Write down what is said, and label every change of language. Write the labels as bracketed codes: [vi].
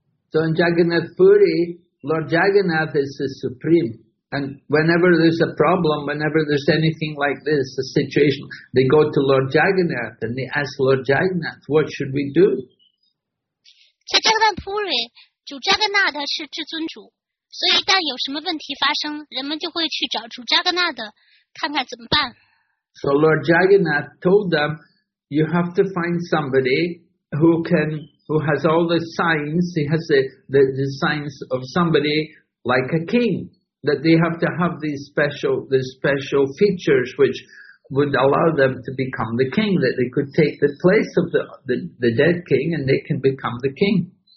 [en] So in Jagannath Puri, Lord Jagannath is the supreme. And whenever there's a problem, whenever there's anything like this, a situation, they go to Lord Jagannath and they ask Lord Jagannath, what should we do? [zh] 在加格纳普里，主加格纳他是至尊主，所以一旦有什么问题发生，人们就会去找主加格纳的，看看怎么办。So [en] Lord Jagannath told them, you have to find somebody who can, who has all the signs, he has the signs of somebody like a king, that they have to have these special features which would allow them to become the king, that they could take the place of the dead king and they can become the king.